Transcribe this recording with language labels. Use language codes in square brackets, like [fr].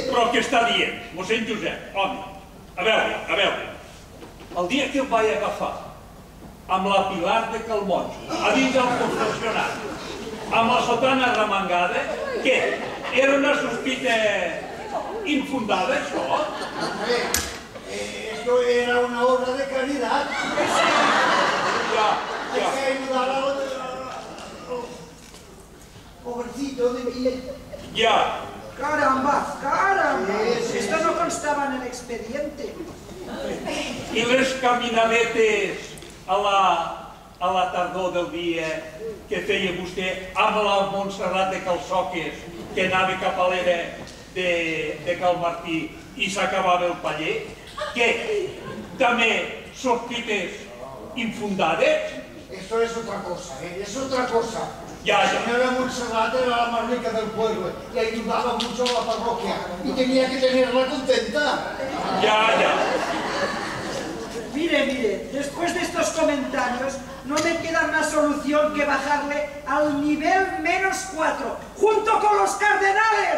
[ca] Però què està dient, mossèn Josep? Home, a veure. El dia que el vaig agafar amb la Pilar de Calmonjo a dins del confessionari, amb la sotana remengada, què? Era una sospita infundada, això? [es] Esto era una obra de caridad. Ya. Hay que ayudar a otro. Pobrecito de mí. Ya. Caramba, caramba. Esto no constaba en el expediente. [ca] I les caminadetes a la tardor del dia que feia vostè amb la Montserrat de Calçoques que anava cap a l'era de Cal Martí i s'acabava el paller, que també sospites infundades? [es] Esto es otra cosa, ¿eh? Es otra cosa. Ya, ya. La señora Montserrat era la más rica del pueblo y ayudaba mucho a la parroquia y tenía que tenerla contenta. Ya, ya. Mire, mire, después de estos comentarios no me queda más solución que bajarle al nivel menos 4, junto con los cardenales.